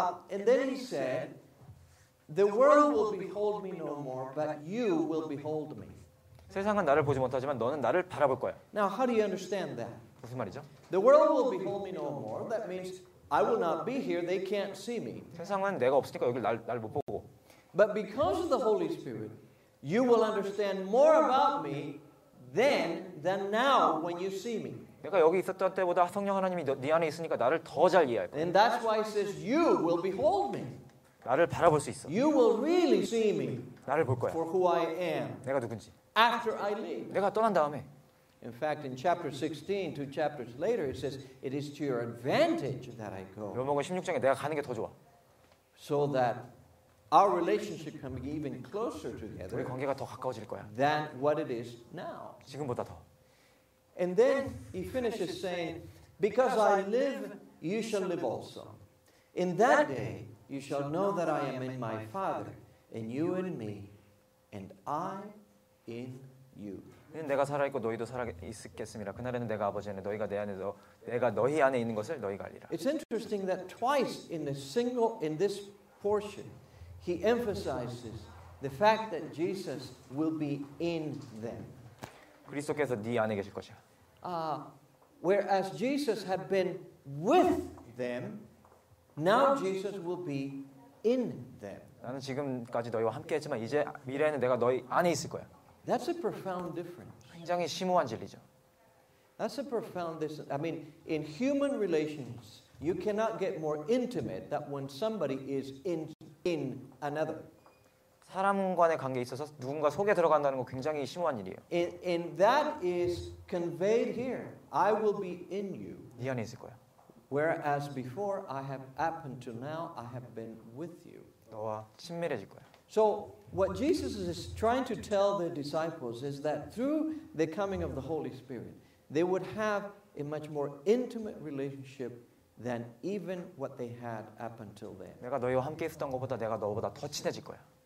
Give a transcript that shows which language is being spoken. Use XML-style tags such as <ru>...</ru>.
<en>And then he said, The world will behold me no more, but you will behold me.</en> <ko>세상은 나를 보지 못하지만 너는 나를 바라볼 거야.</ko> <en>Now, how do you understand that?</en> <ko>무슨 말이죠?</ko> <en>The world will behold me no more. That means I will not be here. They can't see me.</en> <ko>세상은 내가 없으니까 여기 날 못 보고.</ko> <en>But because of the Holy Spirit, you will understand more about me than now when you see me.</en> <ko>내가 여기 있었던 때보다 성령 하나님이 네 안에 있으니까 나를 더 잘 이해할 거야.</ko> <en>And that's why it says you will behold me.</en> <ko>나를 바라볼 수 있어.</ko> <en>You will really see me.</en> <ko>나를 볼 거야.</ko> <en>For who I am.</en> <ko>내가 누군지.</ko> <en>After I leave.</en> <ko>내가 떠난 다음에.</ko> <en>In fact, in chapter 16, two chapters later, it says, "It is to your advantage that I go."</en> <ko>요한복음 16장에 내가 가는 게 더 좋아.</ko> <en>So that our relationship can be even closer together.</en> <ko>우리 관계가 더 가까워질 거야.</ko> <en>Than what it is now.</en> <ko>지금보다 더.</ko> <en>And then he finishes saying, "Because I live, you shall live also." In that day. You shall know that I am in my Father, and you in me, and I in you.</en> <ko>내가 살아 있고 너희도 살아 있겠음이라 그날에는 내가 아버지 안에 너희가 내 안에서 내가 너희 안에 있는 것을 너희가 알리라.</ko> <en>It's interesting that twice in the single in this portion, he emphasizes the fact that Jesus will be in them.</en> <ko>그리스도께서 네 안에 계실 것이야.</ko> <en>Whereas Jesus had been with them. Now Jesus will be in them.</en> <ko>나는 지금까지 너희와 함께했지만 이제 미래에는 내가 너희 안에 있을 거야.</ko> <en>That's a profound difference.</en> <ko>굉장히 심오한 진리죠.</ko> <en>That's a profound difference. I mean, in human relations, you cannot get more intimate than when somebody is in another.</en> <ko>사람 간의 관계에 있어서 누군가 속에 들어간다는 거 굉장히 심오한 일이에요.</ko> <en>And that is conveyed here. I will be in you.</en> <ko>네 안에 있을 거야.</ko> <en>Whereas before I have up until now I have been with you.</en> <ko>너와 친밀해질 거야.</ko> <en>So what Jesus is trying to tell the disciples is that through the coming of the Holy Spirit they would have a much more intimate relationship than even what they had up until then.</en> <ko>내가 너희와 함께 있었던 것보다 내가 너보다 더 친해질 거야.</ko>